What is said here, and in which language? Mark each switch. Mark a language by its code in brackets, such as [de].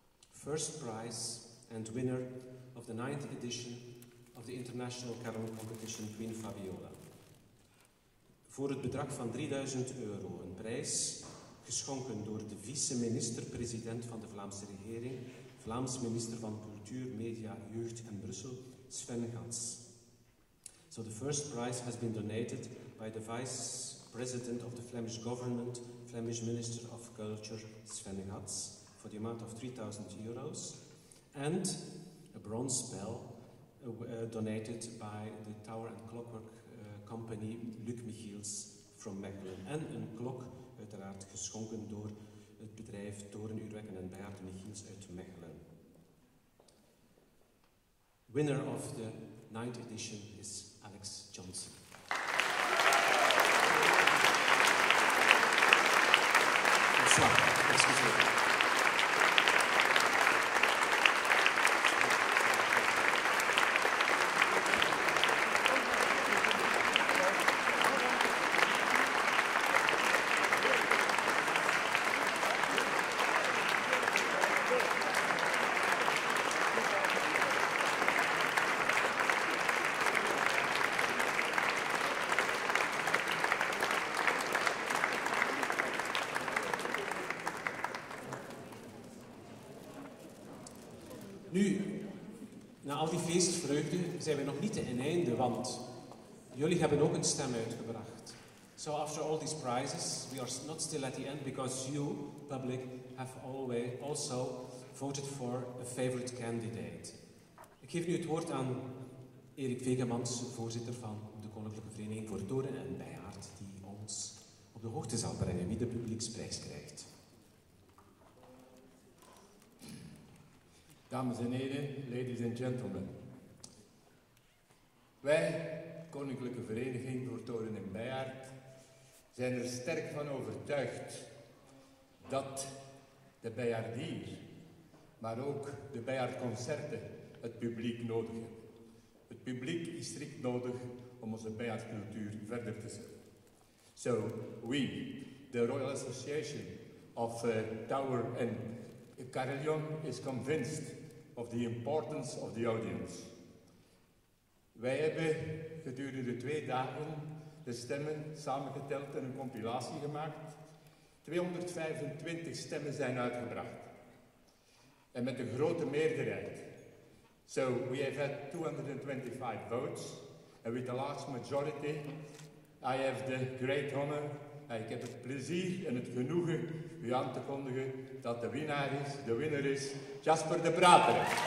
[en] First prize and winner of the 9th edition of the International Carol Competition Queen Fabiola. [nl] Voor het bedrag van €3000, een prijs geschonken door de vice-minister-president van de Vlaamse regering, Vlaams minister van Cultuur, Media, Jeugd en Brussel, Sven Gans. [en] So the first prize has been donated by the Vice President of the Flemish Government, Flemish Minister of Culture, Sven Gans, for the amount of €3000, and a bronze bell donated by the Tower and Clockwork Company, Luc Michiels from Mechelen. [nl] En een klok, uiteraard geschonken door het bedrijf Torenuurwerken en Beate Michiels uit Mechelen. [en] Winner of the 9th edition is Alex Johnson. [nl] Nu, na al die feestvreugde, zijn we nog niet ten einde, want jullie hebben ook een stem uitgebracht. [en] So after all these prizes, we are not still at the end, because you, public, have always also voted for a favorite candidate. [nl] Ik geef nu het woord aan Erik Vegemans, voorzitter van de Koninklijke Vereniging voor Toren en Bijaard, die ons op de hoogte zal brengen wie de publieksprijs krijgt. Dames en heren, ladies and gentlemen. Wij, Koninklijke Vereniging voor Toren en Bijaard, zijn er sterk van overtuigd dat de Bijaardier, maar ook de Bijaardconcerten, het publiek nodig hebben. Het publiek is strikt nodig om onze Bijaardcultuur verder te zetten. [en] So, we, the Royal Association of Tower and Carillon, is convinced of the importance of the audience. [nl] Wij hebben gedurende 2 dagen de stemmen samengeteld en een compilatie gemaakt. 225 stemmen zijn uitgebracht. En met een grote meerderheid. [en] So we have had 225 votes. And with the large majority, I have the great honor. [nl] Ik heb het plezier en het genoegen u aan te kondigen dat de winnaar is, Jasper de Prater.